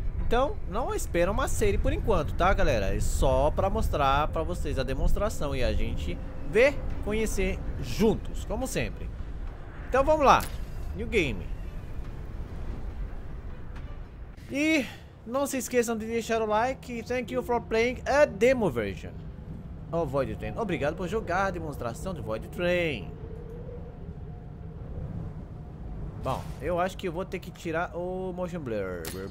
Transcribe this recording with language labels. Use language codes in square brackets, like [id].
[pt] Então, não espera uma série por enquanto, tá, galera? É só pra mostrar pra vocês a demonstração e a gente ver, conhecer juntos, como sempre. Então, vamos lá. [en] New game. [pt] E não se esqueçam de deixar o like. [en] Thank you for playing a demo version of Void Train. [pt] Obrigado por jogar a demonstração de Void Train. Bom, eu acho que eu vou ter que tirar o motion blur.